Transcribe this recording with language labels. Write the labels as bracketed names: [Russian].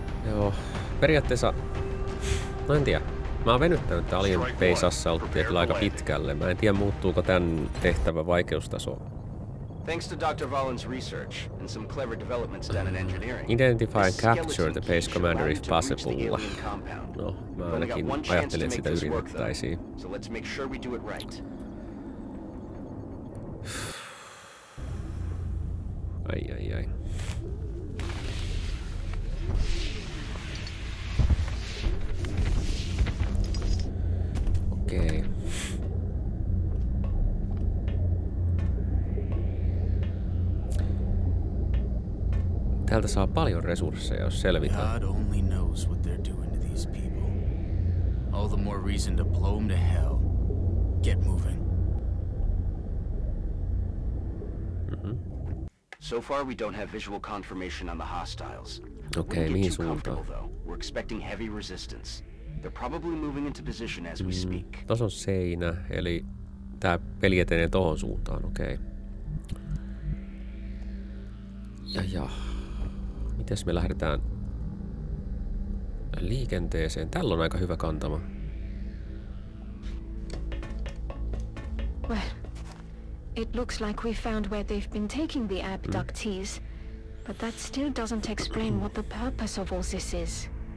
[Finnish] Joo, periaatteessa... No en tiedä. Mä oon venyttänyt tää alien base assaultia kyllä aika pitkälle. Mä en tiedä muuttuuko tän tehtävän vaikeustaso. [English] Thanks to Dr. Vollen's research and some clever developments done in engineering. Identify and capture the base commander if possible. [Finnish] No, mä ainakin ajattelin, että sitä yritettäisiin. [English] So let's make sure we do it right. Ai ai ai. [Finnish] Okei. Täältä saa paljon resursseja, jos selvitään. [English] God only knows what they're doing to these people. All the more reason to blow them to hell. Get moving. So far we don't have visual confirmation on the hostiles. Okay, [Finnish] mihin suuntaan? [English] We're expecting heavy resistance. They're probably moving into position as we speak. [Finnish] Tos on seinä, eli tää peli etenee tohon suuntaan, okei. Okay. Ja. Mites me lähdetään liikenteeseen? Tällä on aika hyvä kantama. [English] Well, it looks like we found where they've been taking the abductees, but that still doesn't explain what the purpose of all this is.